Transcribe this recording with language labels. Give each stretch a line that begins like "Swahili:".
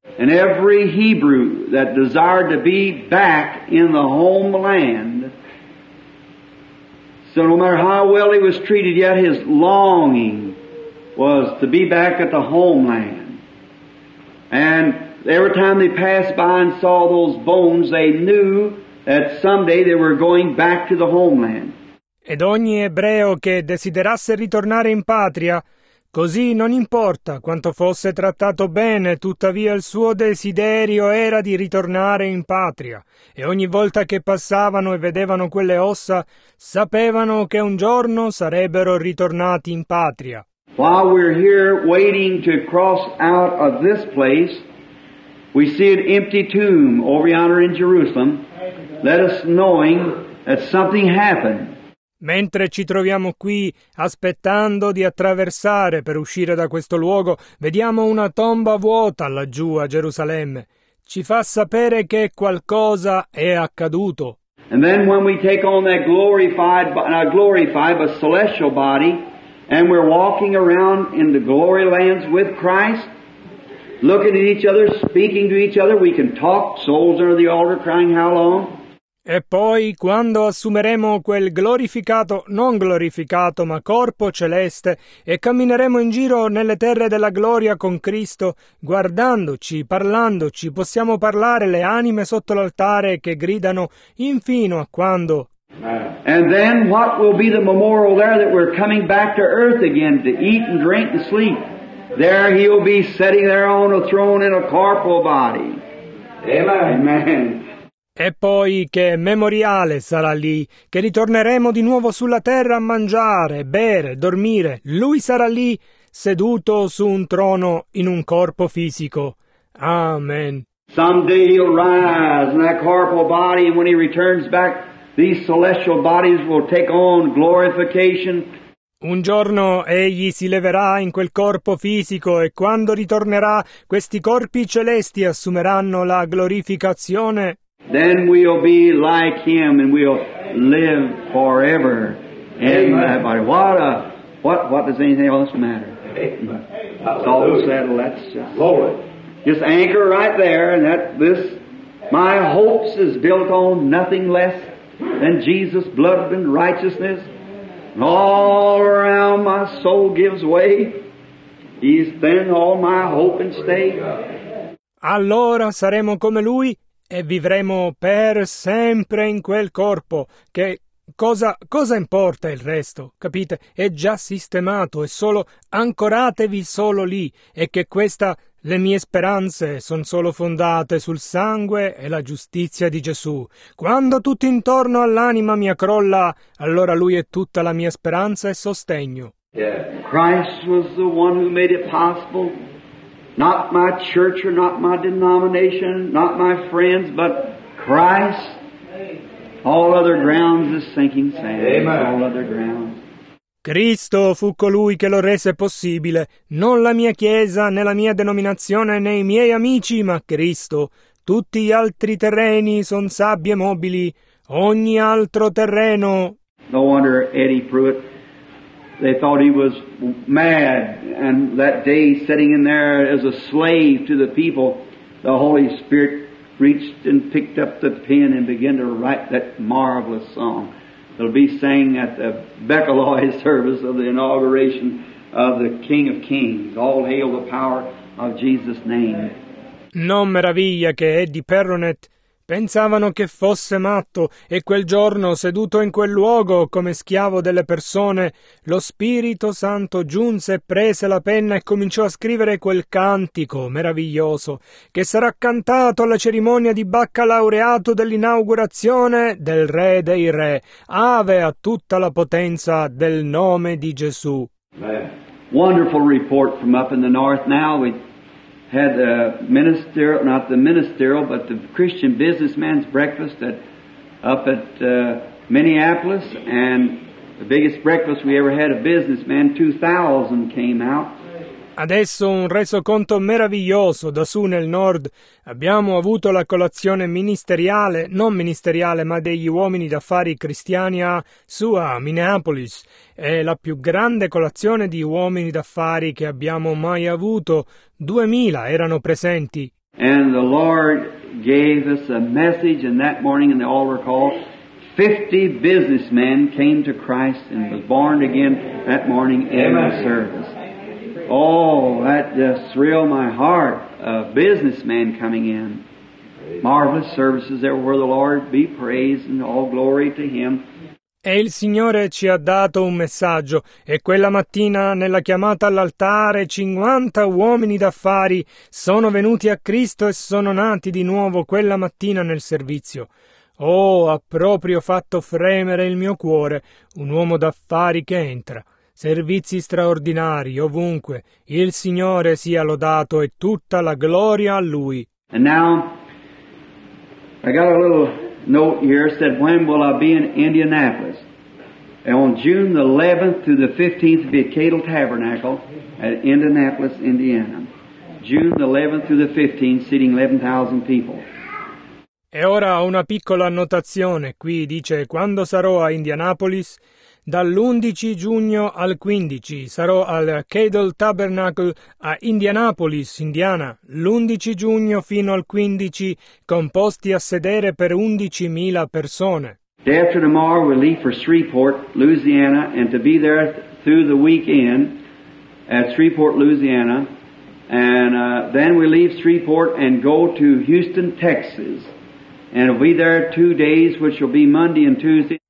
English: And every Hebrew that desired to be back in the homeland, so no matter how well he was treated, yet his longing was to be back at the homeland. And every time they passed by and saw those bones, they knew that someday they were going back to the homeland.
Italian: Ed ogni ebreo che desiderasse ritornare in patria, così non importa quanto fosse trattato bene, tuttavia il suo desiderio era di ritornare in patria. E ogni volta che passavano e vedevano quelle ossa, sapevano che un giorno sarebbero ritornati in patria.
English: While we're here waiting to cross out of this place, we see an empty tomb over yonder in Jerusalem. Let us knowing that something happened.
Italian: Mentre ci troviamo qui, aspettando di attraversare per uscire da questo luogo, vediamo una tomba vuota laggiù a Gerusalemme. Ci fa sapere che qualcosa è accaduto.
English: And then when we take on that glorified, not glorified, but celestial body, and we're walking around in the glory lands with Christ, looking at each other, speaking to each other, we can talk, souls under the altar crying, how long?
Italian: E poi, quando assumeremo quel glorificato, non glorificato, ma corpo celeste, e cammineremo in giro nelle terre della gloria con Cristo, guardandoci, parlandoci, possiamo parlare le anime sotto l'altare che gridano, infino a quando...
English: And then what will be the memorial there that we're coming back to earth again to eat and drink and sleep? There he'll be sitting there on a throne in a corporal body. Amen.
Italian: E poi che memoriale sarà lì, che ritorneremo di nuovo sulla terra a mangiare, bere, dormire. Lui sarà lì, seduto su un trono in un corpo fisico. Amen.
English: Someday he'll rise in that corporal body, and when he returns back, these celestial bodies will take on glorification.
Italian: Un giorno egli si leverà in quel corpo fisico e quando ritornerà, questi corpi celesti assumeranno la glorificazione.
English: Then we'll be like him and we'll live forever in that body. What does anything else matter? Hallelujah. It's all settled, that's just... Glory. Just anchor right there, and that this my hopes is built on nothing less than Jesus' blood and righteousness. And all around my soul gives way. He's then all my hope and stay.
Italian: Allora saremo come Lui e vivremo per sempre in quel corpo che cosa importa il resto, capite? È già sistemato, è solo ancoratevi solo lì e che questa le mie speranze sono solo fondate sul sangue e la giustizia di Gesù. Quando tutto intorno all'anima mia crolla, allora Lui è tutta la mia speranza e sostegno.
English: Christ was the one who made it possible. Not my church or not my denomination, not my friends, but Christ. All other grounds is sinking sand. Amen. All other grounds.
Italian: Cristo fu colui che lo rese possibile, non la mia chiesa, né la mia denominazione, né i miei amici, ma Cristo. Tutti gli altri terreni sono sabbie mobili, ogni altro terreno.
English: No wonder Eddie Pruitt, they thought he was mad, and that day sitting in there as a slave to the people, the Holy Spirit reached and picked up the pen and began to write that marvelous song. It'll be sang at the Beccaloy service of the inauguration of the King of Kings. All hail the power of Jesus' name.
Italian: Non meraviglia che Eddie Perronet pensavano che fosse matto e quel giorno, seduto in quel luogo come schiavo delle persone, lo Spirito Santo giunse, prese la penna e cominciò a scrivere quel cantico meraviglioso che sarà cantato alla cerimonia di baccalaureato dell'inaugurazione del Re dei Re. Ave a tutta la potenza del nome di Gesù.
English: Wonderful report from up in the north now. Had the ministerial, not the ministerial, but the Christian businessman's breakfast up at Minneapolis, and the biggest breakfast we ever had of businessmen, 2,000 came out.
Italian: Adesso un resoconto meraviglioso da su nel nord. Abbiamo avuto la colazione ministeriale, non ministeriale, ma degli uomini d'affari cristiani a Minneapolis. È la più grande colazione di uomini d'affari che abbiamo mai avuto. 2,000 erano presenti.
English: And the Lord gave us a message, and that morning in the altar call, 50 businessmen came to Christ and was born again that morning in the service. Oh, that just thrilled my heart, a businessman coming in. Marvelous services there where the Lord be praised and all glory to Him.
Italian: E il Signore ci ha dato un messaggio, e quella mattina, nella chiamata all'altare, 50 uomini d'affari sono venuti a Cristo e sono nati di nuovo quella mattina nel servizio. Oh, ha proprio fatto fremere il mio cuore un uomo d'affari che entra. Servizi straordinari ovunque. Il Signore sia lodato e tutta la gloria a Lui.
English: And now, I got a little note here, said, when will I be in Indianapolis? And on June the 11th through the 15th, be at Cadle Tabernacle at Indianapolis, Indiana. June the 11th through the 15th, seating 11,000 people.
Italian: E ora una piccola annotazione. Qui dice, quando sarò a Indianapolis? Dall'11 giugno al 15 sarò al Cadle Tabernacle a Indianapolis, Indiana, l'11 giugno fino al 15, con posti a sedere per 11,000 persone.
English: Day after tomorrow we leave for Shreveport, Louisiana, and to be there through the weekend at Shreveport, Louisiana, and then we leave Shreveport and go to Houston, Texas, and we'll be there 2 days, which will be Monday and Tuesday.